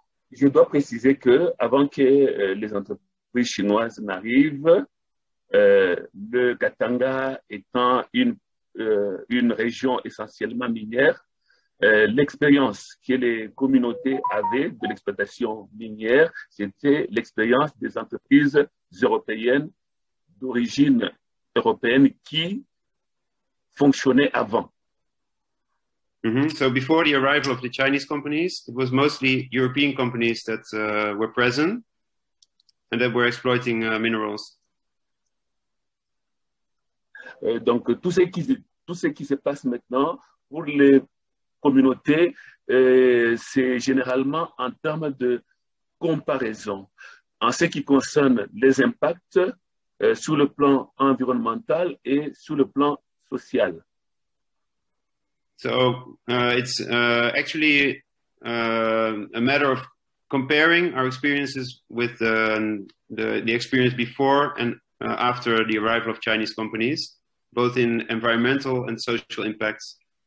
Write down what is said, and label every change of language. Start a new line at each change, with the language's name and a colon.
French: Je dois préciser que avant que les entreprises chinoises n'arrivent, le Katanga étant une région essentiellement minière, l'expérience que les communautés avaient de l'exploitation minière, c'était l'expérience des entreprises européennes d'origine européenne qui fonctionnaient avant. Mm-hmm.
English: So before the arrival of the Chinese companies, it was mostly European companies that were present and that were exploiting minerals.
French: Donc tout ce qui se passe maintenant pour les communautés, c'est généralement en termes de comparaison. En ce qui concerne les impacts sur le plan environnemental et sur le plan social.
English: So it's actually a matter of comparing our experiences with the experience before and after the arrival of Chinese companies, both in environmental and social impacts.